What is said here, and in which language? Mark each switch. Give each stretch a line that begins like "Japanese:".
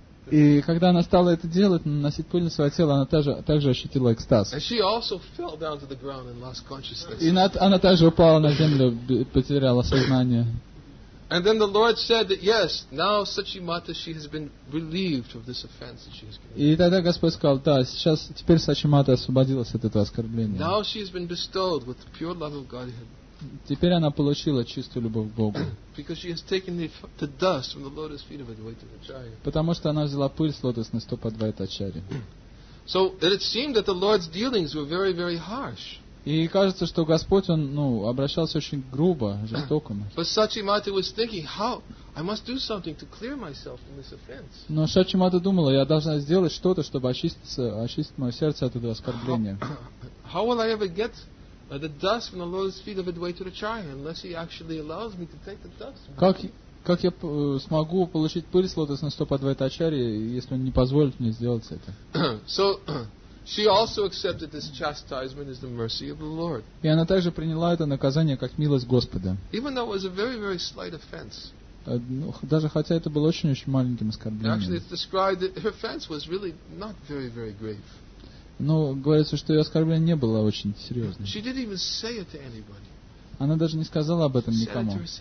Russian: И когда она стала это делать, наносить пыль на свое тело, она также ощутила экстаз. И она также упала на землю, потеряла сознание.
English: And then the Lord said that yes, now Сачимата, she has been relieved of this offense that she has committed.
Russian: И тогда Господь сказал, да, сейчас теперь Сачимата освободилась от этого оскорбления.
English: Now she has been bestowed with the pure love of Godhead.
Russian: Теперь она получила чистую любовь к Богу.
English: Because she has taken the dust from the lotus feet of Advaita Acharya.
Russian: Потому что она взяла пыль с лотосных стоп Адвайта Ачарьи.
English: So it seemed that the Lord's dealings were very, very harsh.
Russian: И кажется, что Господь, он, ну, обращался очень грубо, жестоко.
English: But Сачимата was thinking, how I must do something to clear myself from this offense.
Russian: Но Сачимата думала, я должна сделать что-то, чтобы очистить мое сердце от этого оскорбления.
English: How will I ever get the dust from the Lord's feet of Advaita Acharya unless He actually allows me to take the dust?
Russian: Как я смогу получить пыль с лотосных стоп Адвайта Ачарьи, если он не позволит мне сделать это?
English: So, she also accepted this chastisement as the mercy of the Lord.
Russian: И она также приняла это наказание как милость Господа.
English: Even though it was a very, very slight offense.
Russian: Даже хотя это было очень-очень маленьким оскорблением.
English: Actually, it's described that her offense was really not very, very grave.
Russian: Но говорится, что ее оскорбление не было очень серьезным.
English: She didn't even say it to anybody.
Russian: Она даже не сказала об этом никому.